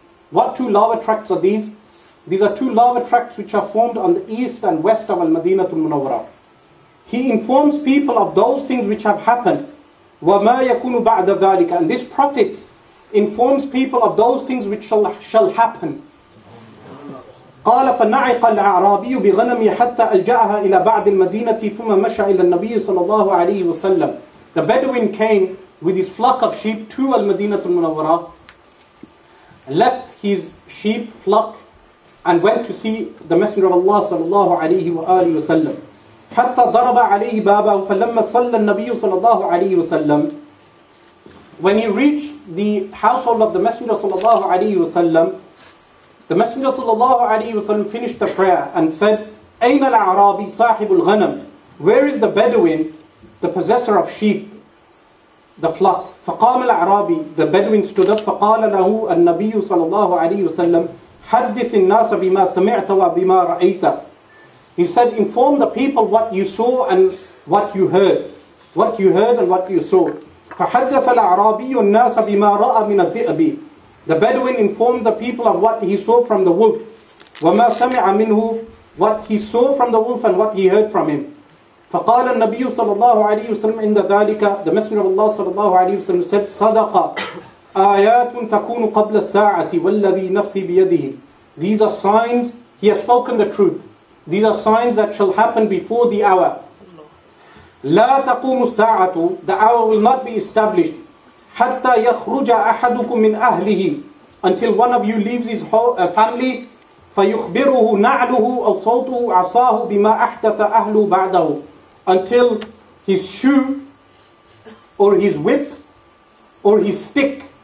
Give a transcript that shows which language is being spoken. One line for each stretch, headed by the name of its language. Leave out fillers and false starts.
English: What two lava tracts are these? These are two lava tracts which are formed on the east and west of Al-Madinah Al-Munawwara. He informs people of those things which have happened.
Arabic: وَمَا يَكُونُ بَعْدَ ذَلِكَ.
English: And this Prophet informs people of those things which shall happen.
Arabic: قال فنعق الأعرابي بغنمي حتى ألجأها إلى بعض المدينة ثم مشى إلى النبي صلى الله عليه وسلم.
English: The Bedouin came with his flock of sheep to Al-Madinah Al-Munawwara, left his sheep flock and went to see the Messenger of Allah
Arabic: صلى الله عليه وآله وسلم. حتى ضرب عليه بابه فلما صلى النبي صلى الله عليه وسلم.
English: When he reached the household of the Messenger
Arabic: صلى الله عليه وسلم,
English: the Messenger sallallahu alayhi wa sallam finished the prayer and said,
Arabic: أين العرابي صاحب الغنم.
English: Where is the Bedouin, the possessor of sheep, the flock?
Arabic: فقام العرابي,
English: the Bedouin stood up.
Arabic: فقال له النبي صلى الله عليه وسلم, حدث الناس بما سمعت وبما رأيت.
English: He said, inform the people what you saw and what you heard. What you heard and what you saw.
Arabic: فحدث العرابي الناس بما رأى من الذئب.
English: The Bedouin informed the people of what he saw from the wolf.
Arabic: وَمَا سَمِعَ مِنْهُ,
English: what he saw from the wolf and what he heard from him.
Arabic: فَقَالَ النَّبِيُّ صَلَى اللَّهُ عَلَيْهِ وَسَلَّمْ عِنْدَ ذَلِكَ.
English: The Messenger of Allah
Arabic: صلى الله عليه وسلم
English: said,
Arabic: صَدَقَ آيَاتٌ تَكُونُ قَبْلَ السَّاعَةِ وَالَّذِي نَفْسِ بِيَدِهِ.
English: These are signs, he has spoken the truth. These are signs that shall happen before the hour.
Arabic: لَا تَقُومُ السَّاعَةُ,
English: the hour will not be established.
Arabic: حتى يخرج أحدكم من أهله,
English: until one of you leaves his family, فيخبره نعله أو صوته عصاه بما أحدث أهله بعده, until his shoe or his whip or his stick